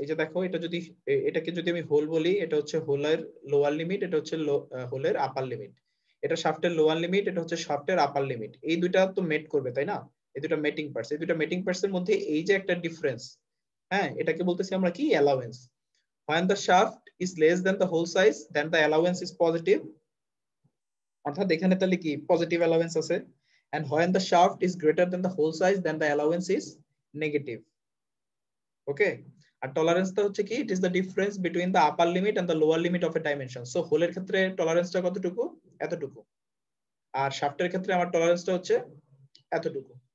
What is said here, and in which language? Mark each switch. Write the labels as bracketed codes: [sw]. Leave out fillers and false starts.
[bn] এই যে দেখো, এটা যদি এটাকে যদি আমি হোল বলি, এটা হচ্ছে হোলের লোয়ার লিমিট, এটা হচ্ছে হোলের আপার লিমিট, এটা শাফটের লোয়ার লিমিট, এটা হচ্ছে শাফটের আপার লিমিট। এই দুটা তো মেট করবে, তাই না? এই দুটা মেটিং পার্টস, এই দুটা মেটিং পার্টস এর মধ্যে এই যে একটা ডিফারেন্স, হ্যাঁ, এটাকে বলতেছি আমরা কি, allowance. [en] When the shaft is less than the hole size, then the allowance is positive. [bn] অর্থাৎ এখানে তাহলে কি পজিটিভ অ্যালাওয়েন্স আছে। [en] And when the shaft is greater than the hole size, then the allowance is negative. Okay? [bn] আর টলারেন্সটা হচ্ছে কি, [en] It is the difference between the upper limit and the lower limit of a dimension. [bn] So হোলের ক্ষেত্রে টলারেন্সটা কতটুকু, এতটুকু, আর শাফটের ক্ষেত্রে আমার টলারেন্সটা হচ্ছে এতটুকু।